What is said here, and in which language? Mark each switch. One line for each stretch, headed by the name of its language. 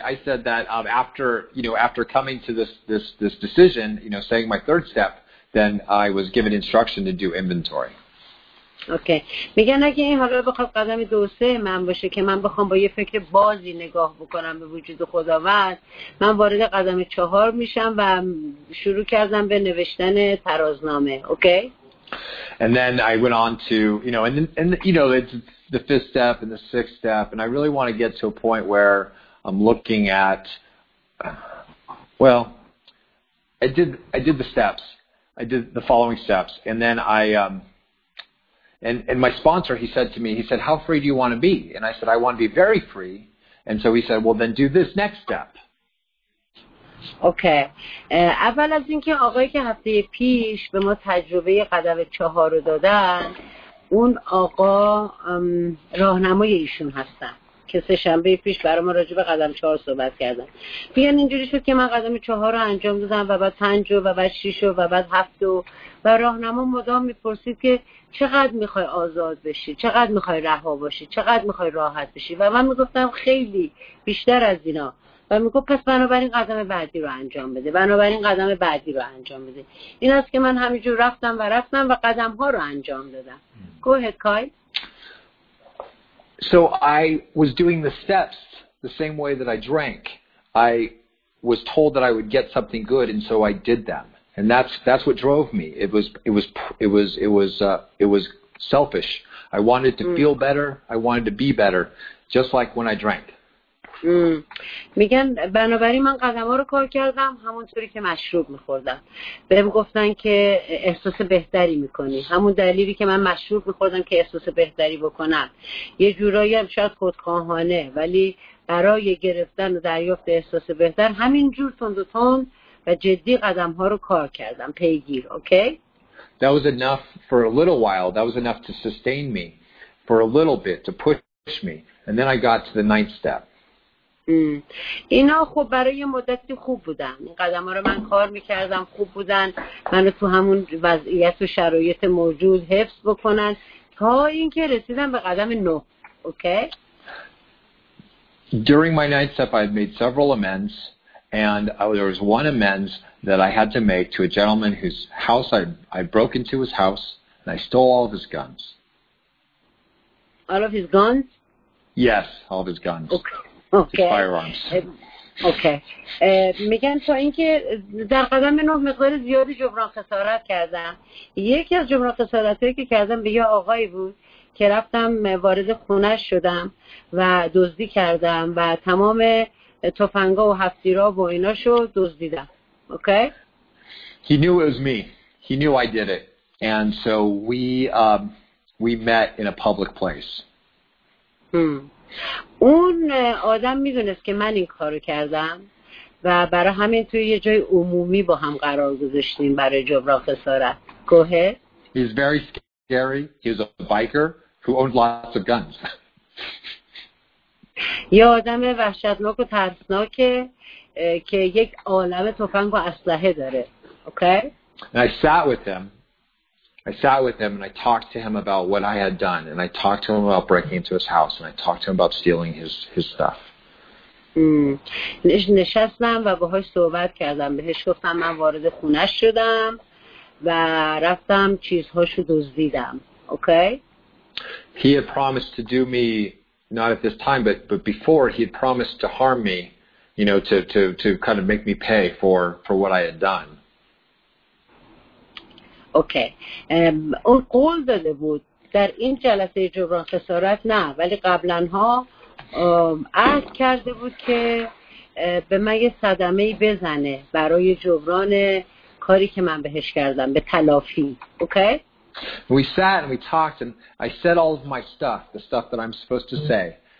English: I said that after coming to this decision, saying my third step, then I was given instruction to do inventory. Okay.
Persian: میگن اگه این حالا بخواد قدم دوسته من باشه که من بخوام با یه فکر بازی نگاه بکنم به وجود خداوند، من وارد قدم چهار میشم و شروع کردم به نوشتن ترازنامه.
English: Okay. And then I went on to, it's the fifth step and the sixth step, and I really want to get to a point where I'm looking at, well, I did the steps, I did the following steps, and then I, and my sponsor, he said to me, he said, how free do you want to be? And I said, I want to be very free. And so he said, well, then do this next step. Okay.
Persian: اول از اینکه آقایی که هفته پیش به ما تجربه قدم چهار رو دادن، اون آقا راهنمای ایشون هستن. که سه شنبه پیش برای ما راجع به قدم چهار صحبت کردن. بیان اینجوری شد که من قدم چهار رو انجام دادم و بعد پنج و بعد شیش و بعد هفت و راهنما مدام میپرسید که چقدر میخوای آزاد بشی، چقدر میخوای رها باشی، چقدر میخوای راحت بشی، و من میگفتم خیلی بیشتر از اینا، و میگفت پس بنابراین قدم بعدی رو انجام بده، بنابراین قدم بعدی رو انجام بده. این است که من همینجور رفتم و قدم ها رو انجام دادم.
English: Go ahead, Kyle. So I was doing the steps the same way that I drank. I was told that I would get something good, and so I did them. And that's what drove me. It was selfish. I wanted to feel better. I wanted to be better, just like when I drank.
Persian: میگن بنابراین من قدم ها رو کار کردم همونطوری که مشروب میخوردم. بهم گفتن که احساس بهتری میکنی. همون دلیلی که من مشروب میخوردم که احساس بهتری بکنم. یه جورایی هم شاید خودخواهانه، ولی برای گرفتن و دریافت احساس بهتر همین جور تند و تند و جدی قدم ها رو کار کردم پیگیر.
English: Okay? That was enough for a little while. That was enough to sustain me for a little bit, to push me. And then I got to the ninth step.
Persian: اینا خب برای یه مدتی خوب بودن، این قدم ها رو من کار میکردم خوب بودن، منو تو همون وضعیت و شرایط موجود حفظ بکنن تا اینکه رسیدم به قدم نه. اوکی؟
English: During my ninth step, I had made several amends, and there was one amends that I had to make to a gentleman whose house I broke into his house, and I stole all of his guns. All of his guns? Yes, all of his guns. Okay. His firearms.
Persian: اوکی میگن تا اینکه در قدم نه مقدار زیادی جبران خسارت کردم. یکی از جبران خسارتایی که کردم به یه آقایی بود که رفتم وارد خونه شدم و دزدی کردم و تمام تفنگا و هفتیرا و ایناشو دزدیدم.
English: Okay He knew it was me. He knew I did it. And so we met in a public place.
Persian: اون آدم میدونست که من این کارو کردم و برای همین توی یه جای عمومی با هم قرار گذاشتیم برای جبران خسارت.
English: گوهه؟ He's very scary. He's a biker who owned lots of guns.
Persian: یه آدم وحشتناک و ترسناکه که یک عالمه تفنگ و اسلحه داره.
English: Okay? And I sat with him. I sat with him and I talked to him about what I had done and I talked to him about breaking into his house and I talked to him about stealing his stuff.
Persian: نشستم و باهاش صحبت کردم. بهش گفتم من وارد خونه شدم و رفتم چیزهاشو دزدیدم.
English: Okay? He had promised to do me not at this time but before he had promised to harm me, you know, to kind of make me pay for what I had done. Okay.
Persian: اون قول داده بود در این جلسه جبران خسارت نه، ولی قبلا ها عهد کرده بود که به من یه صدمه‌ای بزنه برای جبران کاری که من بهش کردم، به تلافی.
English: Okay. We sat and we talked and I said all of my stuff, the stuff that I'm supposed to say.